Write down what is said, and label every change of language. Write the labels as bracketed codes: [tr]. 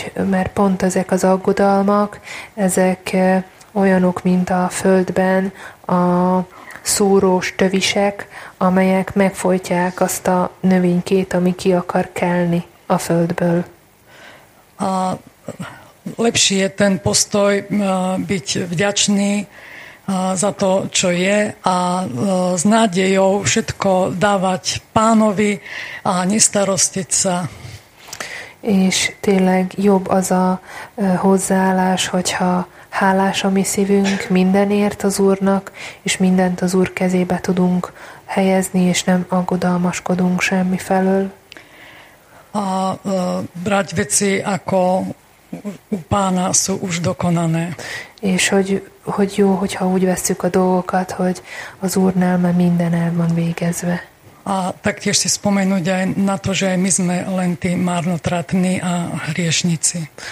[hu] Mert pont ezek az aggodalmak, ezek olyanok, mint a földben a szúrós tövisek, amelyek megfojtják azt a növénykét, ami ki akar kelni a földből. [sk] A lepší je ten postoj byť vďačný za to, čo je a s nádejou všetko dávať Pánovi a nestarostiť sa. [hu] És tényleg jobb az a hozzáállás, hogyha hálás a mi szívünk mindenért az Úrnak, és mindent az Úr kezébe tudunk helyezni, és nem aggodalmaskodunk semmi felől. [sk] A brat veci ako u Pána sú už dokonané. [hu] És hogy jó, hogyha úgy vesszük a dolgokat, hogy az Úrnál már minden el van végezve. [sk] A taktiež si spomenúť aj na to, že aj my sme len tí márnotratní a hriešnici.